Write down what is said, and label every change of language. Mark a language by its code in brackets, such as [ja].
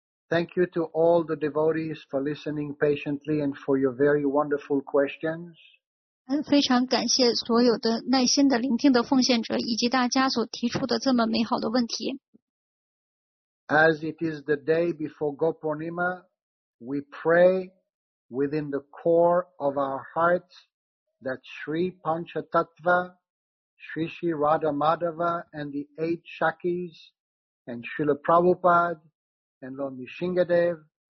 [en] Thank you to all the devotees for listening patiently and for your very wonderful questions. [zh] 非常感谢所有的耐心的聆听的奉献者以及大家所提出的这么美好的问题。 [en] As it is the day before Gopurnima,We pray within the core of our hearts that Sri Panchatattva, Sri Sri Radha Madhava and the eight Shakis and Srila Prabhupada and Lord Nrisimhadev